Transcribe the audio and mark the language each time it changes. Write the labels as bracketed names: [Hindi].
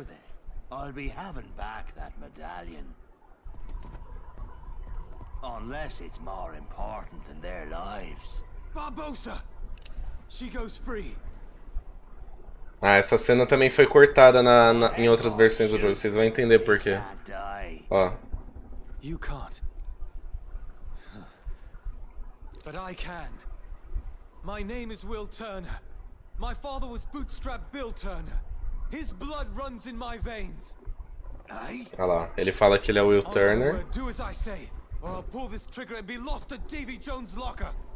[English] then, I'll be having back that medallion. Unless it's more important than their lives. Barbossa! She goes free. [Portuguese] Ah, essa cena também foi cortada em outras versões do jogo, vocês vão entender por quê. Ó. [English] You can't. But I can. My name is Will Turner. My father was Bootstrap Bill Turner. His blood runs in my veins. [Portuguese] Olha lá, ele fala que ele é Will Turner. [English] Do as I say, or I'll pull this trigger and be lost at Davy Jones' locker.